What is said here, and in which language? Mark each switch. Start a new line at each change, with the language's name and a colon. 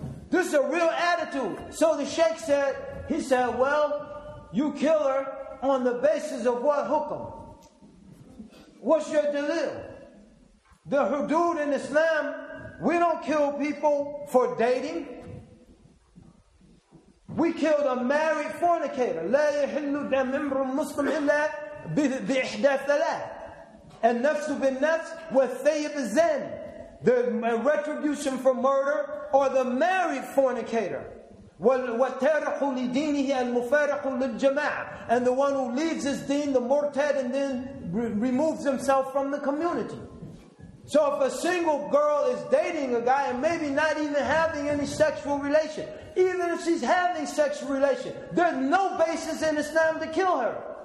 English: This is a real attitude. So the sheikh said, he said, well, you kill her on the basis of what hukum? What's your delil? The hudud in Islam, we don't kill people for dating. We killed a married fornicator.
Arabic: لا يحل دم امرؤ مسلم إلا بإحدى ثلاث. النفس بالنفس والثيب الزاني.
English: The retribution for murder or the married fornicator.
Arabic: وَالْتَارِقُ لِدِينِهِ الْمُفَارِقُ لِلْجَمَاعَ.
English: And the one who leaves his deen, the murtad, and then removes himself from the community. So if a single girl is dating a guy and maybe not even having any sexual relation, even if she's having sexual relation, there's no basis in Islam to kill her.